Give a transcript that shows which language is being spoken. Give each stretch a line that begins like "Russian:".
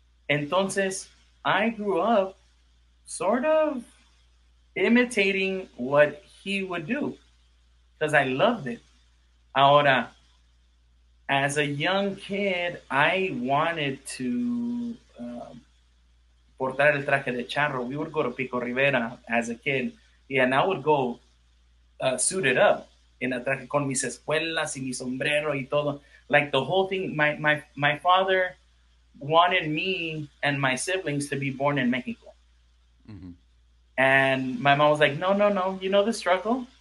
English: Entonces, I grew up sort of imitating what he would do. Because I loved it. Ahora, as a young kid, I wanted to portar el traje de charro. We would go to Pico Rivera as a kid. And I would go suited up.
Spanish: En el traje con mis espuelas y mi sombrero y todo.
English: Like the whole thing, my father wanted me and my siblings to be born in Mexico. Mm-hmm. And my mom was like, no, you know the struggle?